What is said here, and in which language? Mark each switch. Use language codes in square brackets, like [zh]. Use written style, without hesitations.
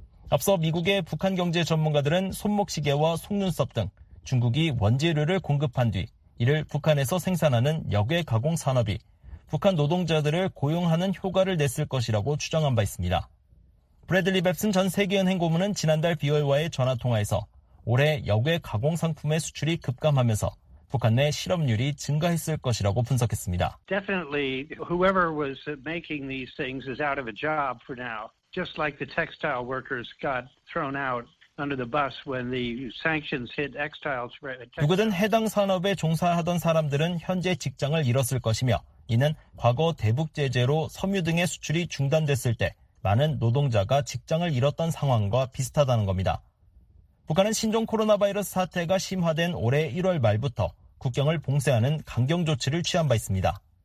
[ko] 앞서 미국의 북한 경제 전문가들은 손목시계와 속눈썹 등 중국이 원재료를 공급한 뒤 이를 북한에서 생산하는 역외 가공 산업이 북한 노동자들을 고용하는 효과를 냈을 것이라고 추정한 바 있습니다. 브래들리 뱁슨 전 세계은행 고문은 지난달 BOA와의 전화통화에서 올해 역외 가공 상품의 수출이 급감하면서 북한 내 실업률이 증가했을 것이라고 분석했습니다. [en] Definitely whoever was making these things is out of a job for now. Just like the textile workers got thrown out under the bus when the sanctions hit textiles. [ko] 누구든 해당 산업에 종사하던 사람들은 현재 직장을 잃었을 것이며 이는 과거 대북 제재로 섬유 등의 수출이 중단됐을 때 많은 노동자가 직장을 잃었던 상황과 비슷하다는 겁니다. 북한은 신종 코로나 바이러스 사태가 심화된 올해 1월 말부터 국경을 봉쇄하는 강경 조치를 취한 바 있습니다.